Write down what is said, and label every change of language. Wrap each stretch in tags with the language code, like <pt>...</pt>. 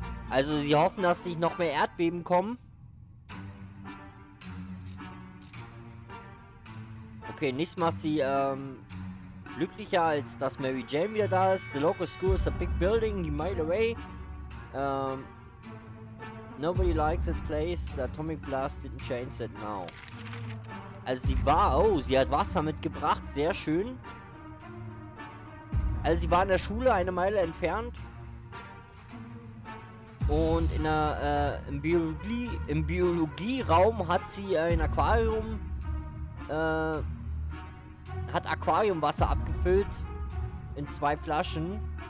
<de>Also sie hoffen, dass nicht noch mehr Erdbeben kommen. Okay, nichts macht sie glücklicher, als dass Mary Jane wieder da ist.</de> <en>The local school is a big building, a mile away. Nobody likes that place. The atomic blast didn't change it now.</en> <de>Also sie war, oh, sie hat Wasser mitgebracht, sehr schön. Also sie war in der Schule, eine Meile entfernt. Und in der im Biologieraum hat sie ein Aquarium hat Aquariumwasser abgefüllt in zwei Flaschen.</de>